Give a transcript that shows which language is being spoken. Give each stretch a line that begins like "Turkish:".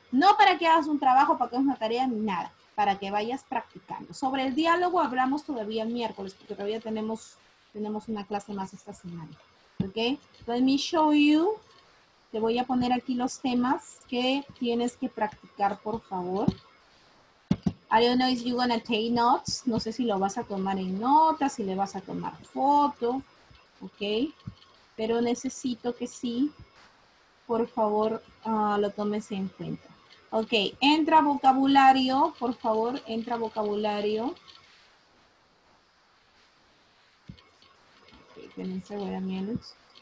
Spanish: No para que hagas un trabajo, para que hagas una tarea, ni nada. Para que vayas practicando. Sobre el diálogo hablamos todavía el miércoles, porque todavía tenemos una clase más esta semana.
English: Ok, let me show you.
Spanish: Te voy a poner aquí los temas que tienes que practicar, por favor.
English: I don't know if you're going to take notes.
Spanish: No sé si lo vas a tomar en notas, si le vas a tomar foto, ¿ok? Pero necesito que sí, por favor, lo tomes en cuenta. Ok, entra vocabulario, por favor, entra vocabulario. Ok, tenense, voy a menos.